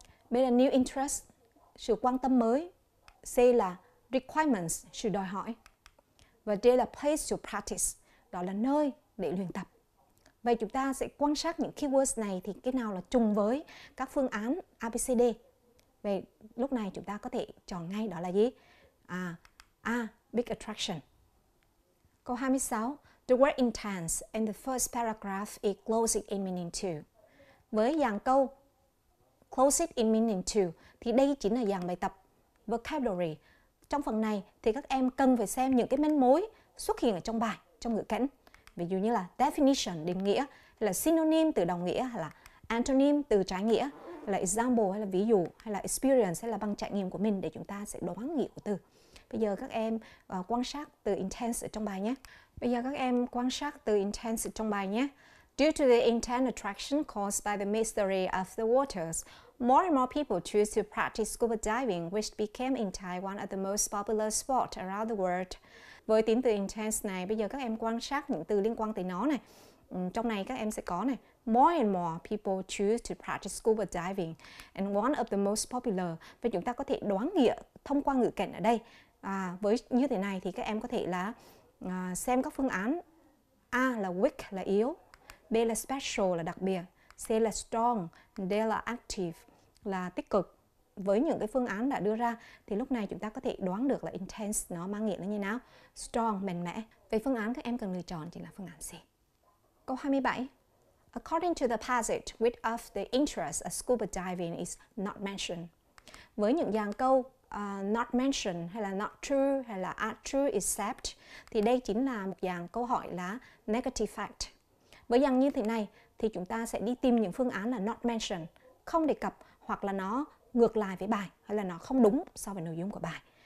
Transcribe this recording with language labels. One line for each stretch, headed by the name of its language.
Vietnamese: B là
English: new interest,
Vietnamese: sự quan tâm mới. C là requirements, sự đòi hỏi. Và D là
English: place to practice,
Vietnamese: đó là nơi để luyện tập. Vậy chúng ta sẽ quan sát những keywords này thì cái nào là trùng với các phương án ABCD. Vậy lúc này chúng ta có thể chọn ngay đó là gì?
English: A, big attraction.
Vietnamese: Câu 26,
English: the word intense and the first paragraph is closing in meaning to.
Vietnamese: Với dàn câu
English: closing in meaning to
Vietnamese: thì đây chính là dàn bài tập vocabulary. Trong phần này thì các em cần phải xem những cái manh mối xuất hiện ở trong bài, trong ngữ cảnh. Ví dụ như là definition, định nghĩa, hay là synonym, từ đồng nghĩa, hay là antonym, từ trái nghĩa, hay là example, hay là ví dụ, hay là experience, hay là bằng trải nghiệm của mình để chúng ta sẽ đoán nghĩa của từ. Bây giờ các em quan sát từ intense ở trong bài nhé. Bây giờ các em quan sát từ intense trong bài nhé.
English: Due to the intense attraction caused by the mystery of the waters, more and more people choose to practice scuba diving, which became in Taiwan the most popular sport around the world.
Vietnamese: Với tính từ intense này, bây giờ các em quan sát những từ liên quan tới nó này. Trong này các em sẽ có này.
English: More and more people choose to practice scuba diving and one of the most popular.
Vietnamese: Và chúng ta có thể đoán nghĩa thông qua ngữ cảnh ở đây. Với như thế này thì các em có thể là xem các phương án. A là weak là yếu, B là special là đặc biệt, C là strong, D là active là tích cực. Với những cái phương án đã đưa ra thì lúc này chúng ta có thể đoán được là intense nó mang nghĩa là như nào. Strong, mạnh mẽ. Vậy phương án các em cần lựa chọn chính là phương án C. Câu 27.
English: According to the passage, which of the interests of scuba diving is not mentioned?
Vietnamese: Với những dàn câu
English: not mentioned,
Vietnamese: hay là
English: not true,
Vietnamese: hay là
English: are true except,
Vietnamese: thì đây chính là một dàn câu hỏi là
English: negative fact.
Vietnamese: Với dàn như thế này, thì chúng ta sẽ đi tìm những phương án là
English: not mentioned,
Vietnamese: không đề cập, hoặc là nó ngược lại với bài, hay là nó không đúng so với nội dung của bài.